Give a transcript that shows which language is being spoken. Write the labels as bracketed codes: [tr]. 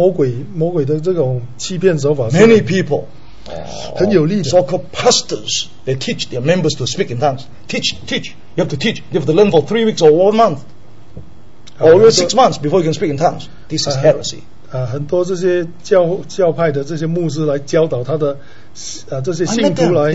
[zh] 我们晓得就是末日这个魔鬼的这种欺骗手法。 [en] Many people. [zh] 很有力的 [en] so-called pastors, they teach their members to speak in tongues. Teach. You have to teach. You have to learn for 3 weeks or 1 month, or even 6 months before you can speak in tongues. This is heresy. [zh] 很多这些教派的这些牧师来教导他的这些信徒来